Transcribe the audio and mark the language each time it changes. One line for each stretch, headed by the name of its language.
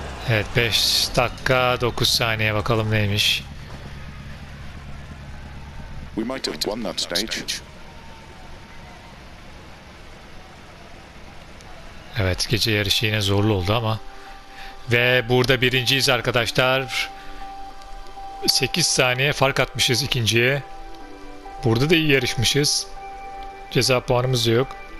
Turkish: Evet, 5 dakika 9 saniye, bakalım neymiş.
English: We might have won that stage.
Turkish: Evet, gece yarışı yine zorlu oldu ama. Ve burada birinciyiz arkadaşlar. 8 saniye fark atmışız ikinciye. Burada da iyi yarışmışız. Ceza puanımız da yok.